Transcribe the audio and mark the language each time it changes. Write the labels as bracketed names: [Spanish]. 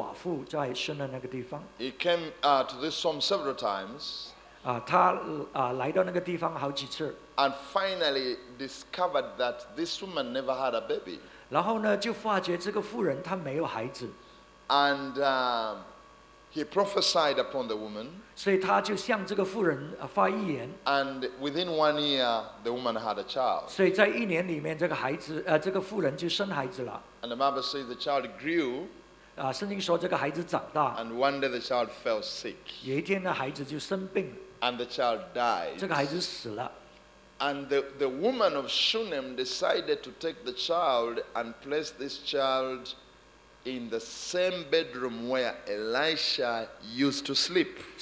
[Chinese] 所以这个是讲到以利沙还有这个寡妇在生的那个地方。 [English] He came to this home several times. [Chinese] 他来到那个地方好几次。 [English] And finally discovered that this woman never had a baby. [Chinese] 然后呢，就发觉这个妇人她没有孩子。 [English] And he prophesied upon the woman. [Chinese] 所以他就向这个妇人发预言。 [English] And within 1 year, the woman had a child. [Chinese] 所以在一年里面，这个妇人就生孩子了。 [English] And the Bible says the child grew. [Chinese] 圣经说这个孩子长大。 [English] And one day the child fell sick. [Chinese] 有一天呢，孩子就生病了。 [English] And the child died. [Chinese] 这个孩子死了。 [English] And the woman of Shunem decided to take the child and place this child in the same bedroom where Elisha used to sleep.